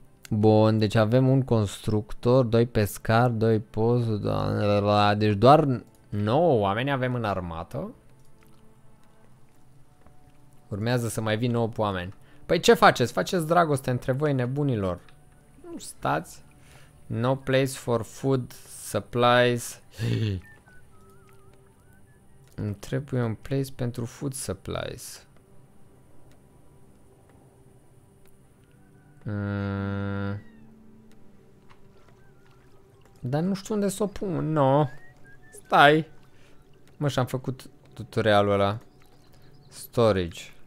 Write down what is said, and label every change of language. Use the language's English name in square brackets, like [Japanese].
[Romanian] Bun, deci avem un constructor, doi pescari, doi pozi, deci doar 9 oameni avem în armată. Urmează să mai vină 8 oameni. Păi ce faceți? Faceți dragoste între voi, nebunilor. Nu stați. [English] No place for food supplies. [Romanian] Îmi trebuie un place pentru [English] food supplies. [Romanian] Dar nu știu unde să o pun. No. Stai. Mă, și-am făcut tutorialul ăla. Storage.